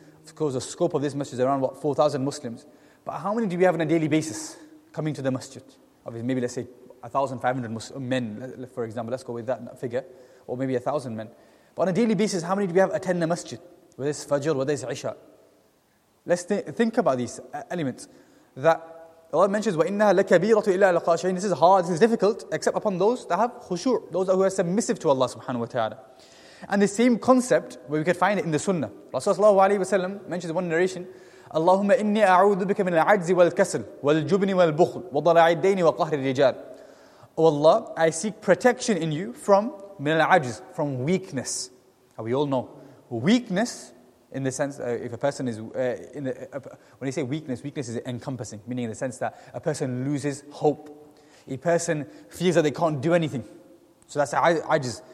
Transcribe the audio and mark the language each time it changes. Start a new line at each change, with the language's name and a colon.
English: Of course, the scope of this masjid is around, 4,000 Muslims. But how many do we have on a daily basis coming to the masjid? Obviously, maybe let's say 1,500 men, for example, let's go with that figure, or maybe 1,000 men. But on a daily basis, how many do we have attend the masjid? Whether it's Fajr, whether it's Isha. Let's think about these elements. That Allah mentions,
Arabic: وَإِنَّهَا لَكَبِيرَةُ إِلَّا لَقَاشِعِينَ.
English: This is hard, this is difficult, except upon those that have khushu', those who are submissive to Allah subhanahu wa ta'ala. And the same concept, where we could find it in the sunnah. Rasulullah sallallahu alayhi wa sallam mentions one narration,
Arabic: اللَّهُمَّ إِنِّي أَعُوذُ بِكَ مِنَ الْعَجْزِ وَالْكَسَلِ وَالْجُبْنِ وَالْبُخْلِ وَضَلَعِ الدَّيْنِ وَقَهْرِ الرِّجَالِ.
English: Oh Allah, I seek protection in you from
Arabic: مِنَ الْعَجْزِ,
English: from weakness. We all know, weakness, in the sense, if a person is, when you say weakness is encompassing, meaning in the sense that a person loses hope. A person feels that they can't do anything. So that's ajiz.